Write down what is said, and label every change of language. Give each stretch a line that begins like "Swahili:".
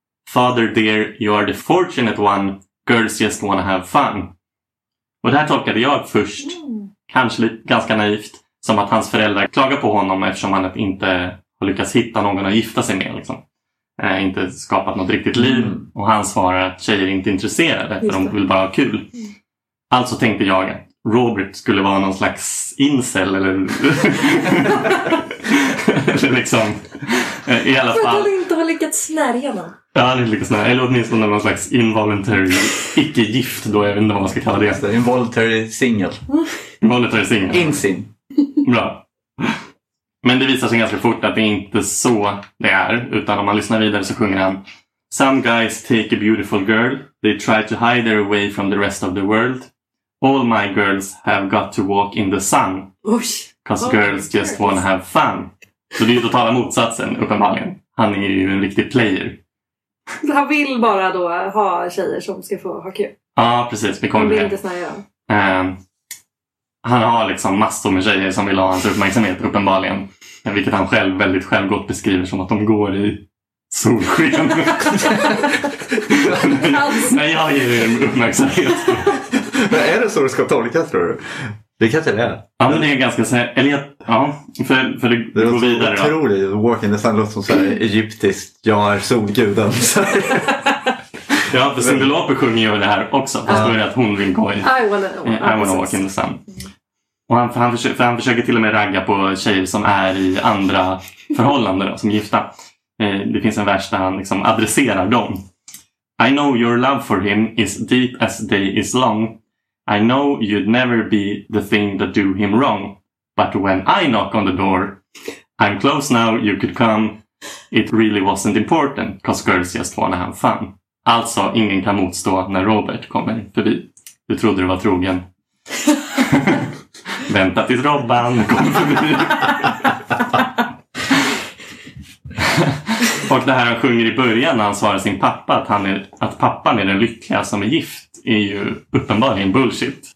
English: Father dear, you are the fortunate one, girls just wanna have fun.
Swedish: Och det här tolkade jag först, kanske lite ganska naivt, som att hans föräldrar klagar på honom eftersom han inte har lyckats hitta någon att gifta sig med. Liksom. Inte skapat något riktigt liv. Och han svarar att tjejer inte är intresserade, för de vill bara ha kul. Alltså tänkte jag att Robert skulle vara någon slags incel eller... eller liksom... i alla fall... Lyckats snärja, va? Ja, han är lyckats snärja. Eller åtminstone någon slags involuntary icke-gift, då jag vet inte vad man ska kalla det.
English: Involuntary single. Involuntary single.
Swedish: Insin. Bra. Men det visar sig ganska fort att det inte så det är. Utan om man lyssnar vidare så sjunger han
English: Some guys take a beautiful girl. They try to hide their way from the rest of the world. All my girls have got to walk in the sun.
Swedish: Oj.
English: Cause girls just wanna have fun.
Swedish: Så det är ju totala motsatsen, uppenbarligen. Han är ju en riktig player. Han vill bara då ha tjejer som ska få ha kul. Ja, ah, precis. Vi kommer till det. Han har liksom massor med tjejer som vill ha hans uppmärksamhet uppenbarligen. Vilket han själv väldigt självgott beskriver som att de går i solsken. Men jag ger ju uppmärksamhet. Men är det så du ska tolka, tror du? Det kanske det är. Ja, men det är ganska så här, för det går så vidare. Det är otroligt. Då.
English: Walk in the sun
Swedish: låter som så här egyptiskt. Jag är solguden. Ja, för Cymbeloper sjunger ju det här också. Fast då är det att hon vill gå i
English: I wanna walk in the sun.
Swedish: Och han försöker till och med ragga på tjejer som är i andra förhållanden, då, som gifta. Det finns en vers där han liksom adresserar dem.
English: I know your love for him is deep as day is long. I know you'd never be the thing that do him wrong. But when I knock on the door, I'm close now, you could come. It really wasn't important, cause girls just wanna have fun.
Swedish: Alltså, ingen kan motstå när Robert kommer förbi. Du trodde du var trogen. Vänta tills Robban kommer förbi. Och det här han sjunger i början när han svarar sin pappa att pappan är den lyckliga som är gift är ju uppenbarligen bullshit.